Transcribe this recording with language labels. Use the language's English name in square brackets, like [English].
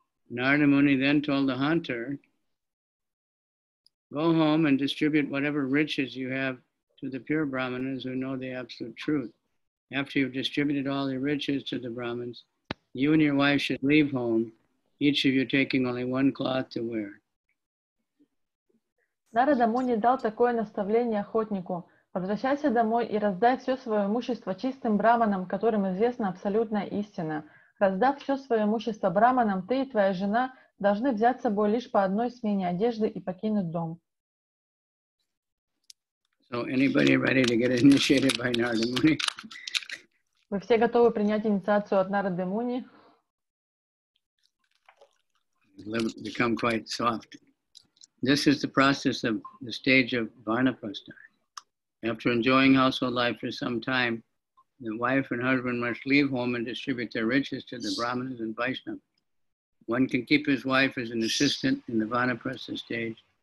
[English] Narada Muni then told the hunter, go home and distribute whatever riches you have to the pure Brahmanas who know the absolute truth. After you've distributed all your riches to the Brahmins, you and your wife should leave home, each of you taking only one cloth to wear. [Russian] Нарада Муни дал такое наставление охотнику. Возвращайся домой и раздай все свое имущество чистым браманам, которым известна абсолютная истина. Раздав все свое имущество браманам, ты и твоя жена должны взять с собой лишь по одной смене одежды и покинуть дом. [English] So anybody ready to get initiated by Narada Muni? [Russian] Вы все готовы принять инициацию от Нарады Муни? [English] Become quite soft. This is the process of the stage of Varnaprastha. After enjoying household life for some time, the wife and husband must leave home and distribute their riches to the Brahmins and Vaishnavas. One can keep his wife as an assistant in the Varnaprastha stage.